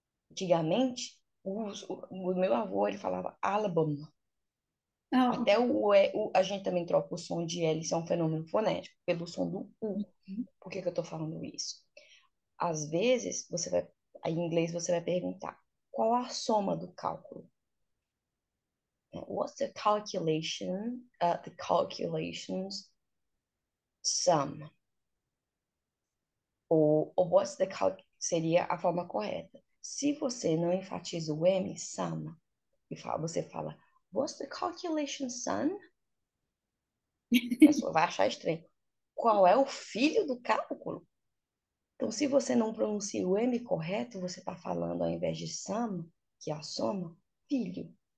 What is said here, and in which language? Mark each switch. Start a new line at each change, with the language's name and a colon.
Portuguese: Antigamente, o meu avô, ele falava álbum. Até a gente também troca o som de L, isso é um fenômeno fonético, pelo som do U. Por que que eu tô falando isso? Às vezes, em inglês, você vai perguntar, qual a soma do cálculo?
English: What's the calculation, the calculations sum?
Portuguese: Ou
English: what's the call,
Portuguese: seria a forma correta. Se você não enfatiza o M, sum, você fala,
English: what's the calculation, son?
Portuguese: A pessoa vai achar estranho. Qual é o filho do cálculo? Então, se você não pronuncia o M correto, você está falando, ao invés de sum, que é a soma, filho.